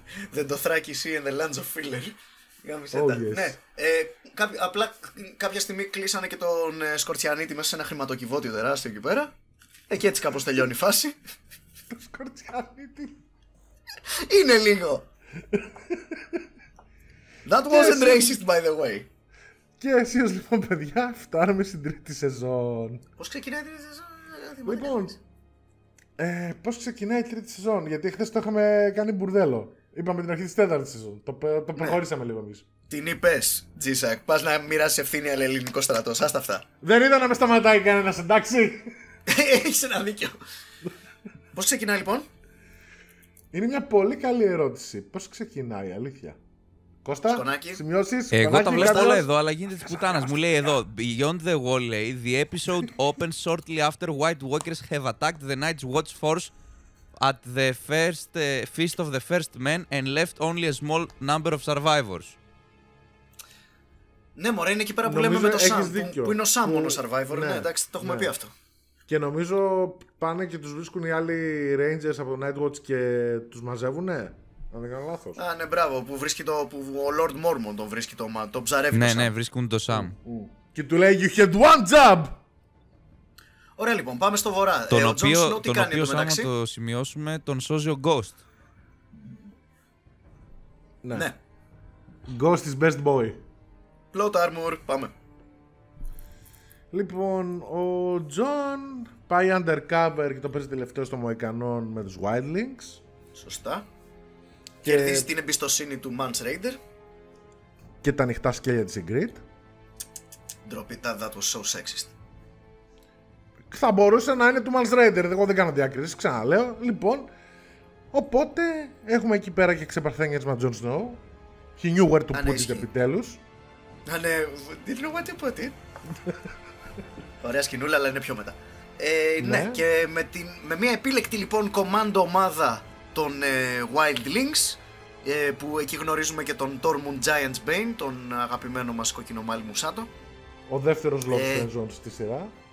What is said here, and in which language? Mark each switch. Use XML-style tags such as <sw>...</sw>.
<el>Δεν το θράκι εσύ</el> <en>in the lands of filler.</en> <el>Ναι. Απλά κάποια στιγμή κλείσανε και τον Σκορτσιανίτη μέσα σε ένα χρηματοκιβώτιο τεράστιο εκεί πέρα. Και έτσι κάπως τελειώνει η φάση. Το Σκορτσιανίτη. Είναι λίγο.</el> <en>That wasn't racist, by the way.</en> <el>Και εσύ ως λοιπόν, παιδιά, φτάνουμε στην τρίτη σεζόν. Πώς ξεκινάει η τρίτη σεζόν. Λοιπόν, πώς ξεκινάει η τρίτη σεζόν, γιατί χθες το είχαμε κάνει μπουρδέλο. Είπαμε την αρχή της τέταρτης σεζόν, το προχώρησαμε λίγο εμείς. Την είπες, Τζίσακ, πας να μοιράσεις ευθύνη αλλά ελληνικό στρατός, άστα αυτά. Δεν είδα να με σταματάει κανένας, εντάξει. Έχεις ένα δίκιο. Πώς ξεκινάει λοιπόν. Είναι μια πολύ καλή ερώτηση, πώς ξεκινάει, αλήθεια. Κώστα, σημειώσεις. Εγώ τα βλέπω όλα εδώ, αλλά γίνεται της πουτάνας. Μου λέει εδώ,</el> <en>Beyond the Wall</en> <el>λέει,</el> <en>the episode opens shortly after White Walkers have attacked the Night's Watch Force at the first feast of the first men and left only a small number of survivors.</en> <el>Ναι, μωρέ, είναι εκεί πέρα που λέμε με το Sam, που είναι ο Sam μόνο survivor. Ναι, εντάξει, το έχουμε πει αυτό. Και νομίζω πάνε και τους βρίσκουν οι άλλοι Rangers από το Night Watch και τους μαζεύουνε. Αν δεν κάνω λάθος. Α, ναι, μπράβο. Που βρίσκει το. Που ο Lord Mormon τον βρίσκει το. Το ψαρεύει. Ναι, ναι, βρίσκουν το Sam. Και του λέει,</el> <en>You had one job!</en> <el>Ωραία, λοιπόν, πάμε στο βορρά. Τον τον οποίο, σαν να το σημειώσουμε, τον σώζει ο Ghost. Ναι. Ναι.</el> <en>Ghost is best boy. Plot armor,</en> <el>πάμε. Λοιπόν, ο John πάει undercover και το παίζει τελευταίο στο Μοϊκανόν με τους Wildlings. Σωστά. Και κερδίζει την εμπιστοσύνη του Mans Raider. Και τα ανοιχτά σκέλια της Ingrid. Ντροπή,</el> <en>that was so sexist.</en> <el>Θα μπορούσε να είναι του Mans Raider, εγώ δεν κάνω διάκριση, ξαναλέω. Λοιπόν, οπότε έχουμε εκεί πέρα και ξεπαρθένιασμα Jon Snow.</el> <en>He knew where to put it</en> <el>επιτέλους. Α, ναι,</el> <en>didn't know what to put it.</en> <el>Ωραία σκηνούλα, αλλά είναι πιο μετά. Ναι, και με μια επίλεκτη λοιπόν κομάντο ομάδα των Wildlings, που εκεί γνωρίζουμε και τον Tormund Giants Bane, τον αγαπημένο μας κοκκινομάλι Μουσάτο. Ο δεύτερος Lord of the Rings στη σειρά.</el>